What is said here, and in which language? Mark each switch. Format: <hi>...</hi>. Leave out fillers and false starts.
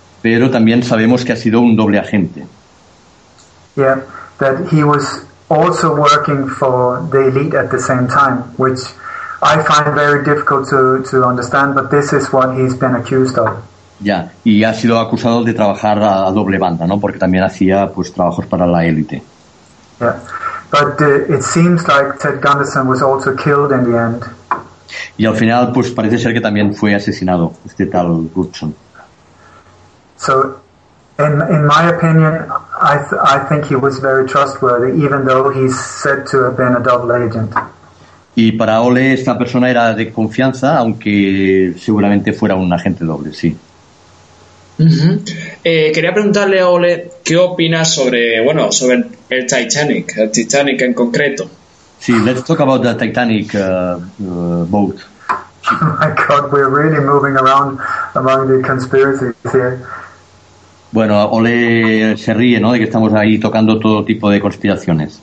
<es>Pero también sabemos que ha sido un doble agente.</es> <en>Yeah, that he was also working for the elite at the same time, which I find very difficult to understand, but this is what he's been accused of.</en> <es>Ya, y ha sido acusado de trabajar a doble banda, ¿no? Porque también hacía pues trabajos para la élite.</es> <en>Yeah. But it seems like Ted Gooderson was also killed in the end.</en> <es>Y al final pues parece ser que también fue asesinado este tal Gooderson.</es> <en>So in my opinion, I think he was very trustworthy, even though he's said to have been a double agent.</en> <es>Y para Ole esta persona era de confianza, aunque seguramente fuera un agente doble, sí. Uh-huh. Quería preguntarle a Ole, ¿qué opinas sobre el Titanic, en concreto?</es> <en>Sí, let's talk about the Titanic boat. Oh my God, we're really moving around among the conspiracies here.</en> <es>Bueno, Ole se ríe, ¿no?, de que estamos ahí tocando todo tipo de conspiraciones.</es>